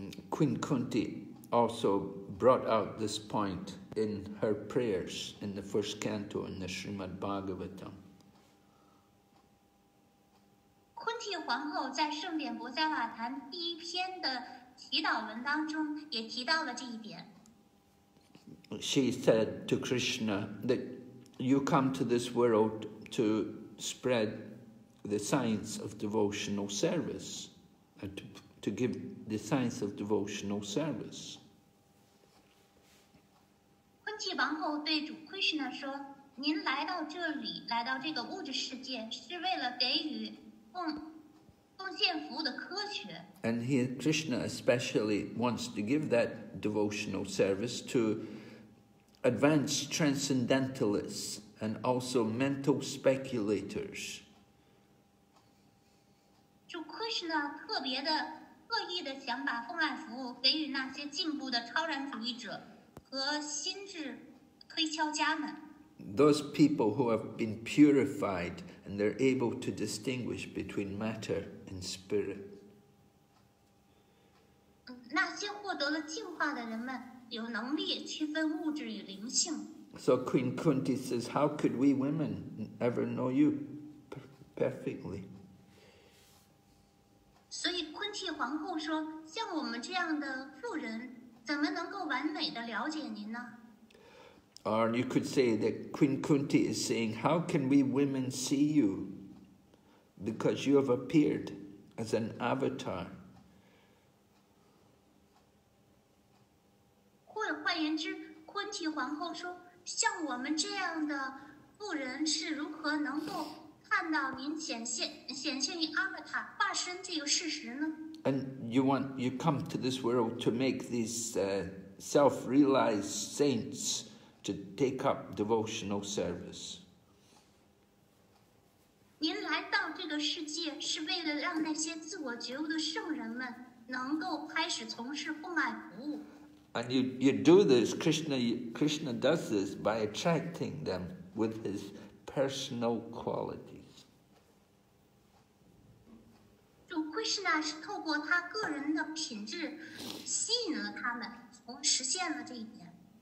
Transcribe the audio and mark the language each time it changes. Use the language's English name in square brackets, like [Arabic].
[English] Queen Kunti also brought out this point in her prayers in the first canto in the Srimad Bhagavatam. [Chinese] Kunti 皇后在圣典博迦瓦坛第一篇的祈祷文当中也提到了这一点。 [English] She said to Krishna that you come to this world to spread the science of devotional service and to give the science of devotional service. [Chinese] Kunti 王后对主 Krishna 说，您来到这里，来到这个物质世界，是为了给予奉献服务的科学。 [English] And he, Krishna especially wants to give that devotional service to advanced transcendentalists and also mental speculators. [Chinese] 主 Krishna 特别的特意的想把奉爱服务给予那些进步的超然主义者和心智推敲家们。 [English] Those people who have been purified and they're able to distinguish between matter and spirit. [Chinese] 那些获得了净化的人们有能力区分物质与灵性。 [English] So Queen Kunti says, how could we women ever know you perfectly? [Chinese] 所以昆蒂皇后说，像我们这样的妇人怎么能够完美的了解您呢？ [English] Or you could say that Queen Kunti is saying, how can we women see you? Because you have appeared as an avatar. [Chinese] 换言之，昆蒂皇后说，像我们这样的妇人是如何能够看到您显现于 avatar 化身这个事实呢？ [English] And you come to this world to make these self-realized saints to take up devotional service. [Chinese] 您来到这个世界是为了让那些自我觉悟的圣人们能够开始从事奉爱服务。 [English] And you do this, Krishna does this by attracting them with his personal qualities. [Chinese] 主 Krishna 是透过他个人的品质吸引了他们，从实现了这一点。